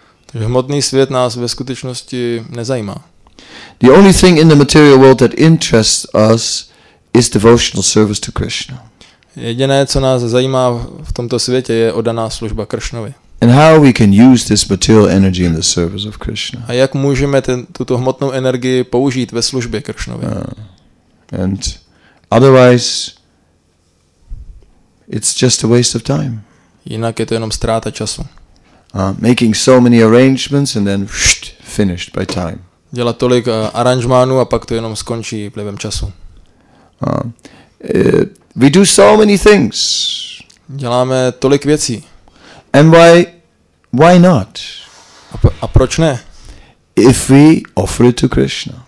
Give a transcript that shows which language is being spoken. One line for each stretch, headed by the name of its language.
Czech: Takže hmotný svět nás ve skutečnosti nezajímá.
English: The only thing in the material world that interests us is devotional service to Krishna.
Czech: Jediné, co nás zajímá v tomto světě, je oddaná služba Kršnovi.
English: And how we can use this material energy in the service of Krishna.
Czech: A jak můžeme tuto hmotnou energii použít ve službě Kršnovi?
English: And otherwise it's just a waste of time.
Czech: Jinak je to jenom ztráta času.
English: Making so many arrangements and then finished by time.
Czech: Dělat tolik aranžmánů a pak to jenom skončí vlivem času.
English: We do so many things.
Czech: Děláme tolik věcí.
English: And why not?
Czech: A proč ne?
English: If we offer it to Krishna.